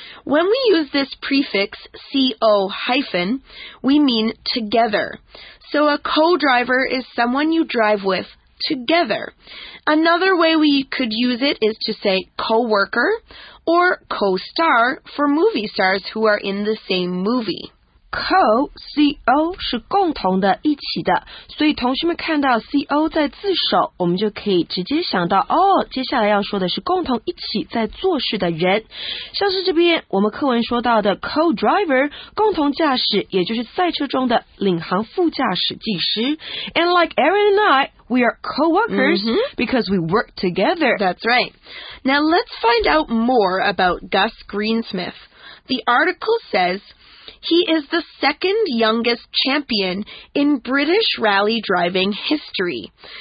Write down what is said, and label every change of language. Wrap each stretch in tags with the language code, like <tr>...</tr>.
<en>When we use this prefix, C-O-hyphen, we mean together. So a co-driver is someone you drive with together. Another way we could use it is to say co-worker or co-star for movie stars who are in the same movie.</en> <zh>Co 是共同的，一起的，所以同学们看到 co 在自首，我们就可以直接想到，哦，接下来要说的是共同一起在做事的人。像是这边我们课文说到的 co-driver 共同驾驶，也就是赛车中的领航副驾驶技师。</zh> <en>And like Aaron and I, we are co-workers、mm-hmm. because we work together. That's right. Now let's find out more about Gus Greensmith. The article says... He is the second youngest champion in British rally driving history.</en>